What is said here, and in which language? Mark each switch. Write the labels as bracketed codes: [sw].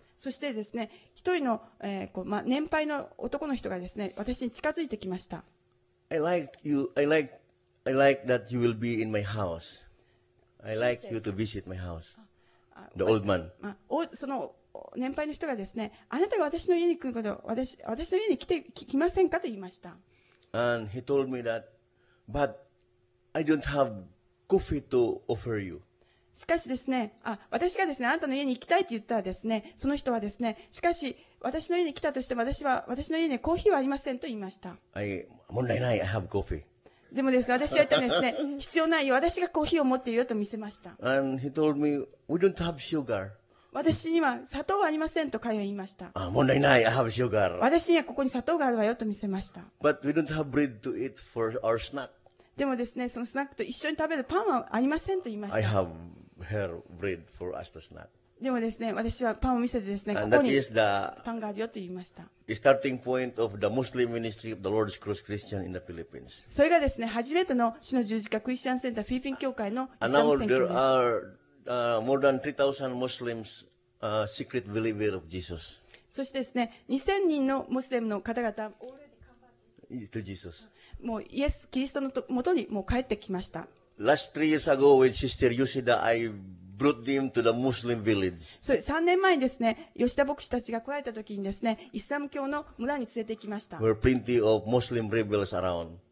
[ja] そしてですね、一人の、年配の男の人がですね、私に近づいてきました。 [en] I like that you will be in my house. I like you to visit my house. The old man. [ja] その年配の人がですね、あなたが私の家に来ること、私の家に来ませんかと言いました。 [en] And he told me that, but I don't have coffee to offer you. [ja] しかしですね、私がですね、あなたの家に行きたいと言ったらですね、その人はですね、しかし私の家に来たとしても私は私の家にコーヒーはありませんと言いました。問題ない、 [en] I have coffee。 [ja] でもですね、私は言ったんですね、必要ないよ、私がコーヒーを持っているよと見せました。 [en] And he told me, we don't have sugar。 [ja] 私には砂糖はありませんと彼は言いました。問題ない、 [en] I have sugar。 [ja] 私にはここに砂糖があるわよと見せました。 [en] But we don't have bread to eat for our snack。 [ja] でもですね、そのスナックと一緒に食べるパンはありませんと言いました。 [en] I have her bread for us to snack. [ja] でもですね、私はパンを見せてですね、 [en] and、 [ja] ここにパンがあるよと言いました。 [en] Starting point of the Muslim ministry of the Lord's Cross Christian in the Philippines. [ja] それがですね、初めての主の十字架クリスチャンセンターフィリピン教会のイスラム宣教です。 [en] And now there are more than 3,000 Muslims, secret believer of Jesus. [ja] そしてですね、2,000 人のモスリムの方々 [en] to Jesus. [ja] もうイエス・キリストのもとにもう帰ってきました。 [en] Last 3 years ago, with Sister Yoshida, I brought them to the Muslim village. [ja] そう、3年前にですね、吉田牧師たちが来られた時にですね、イスラム教の村に連れて行きました。 [en] Where plenty of Muslim rebels around.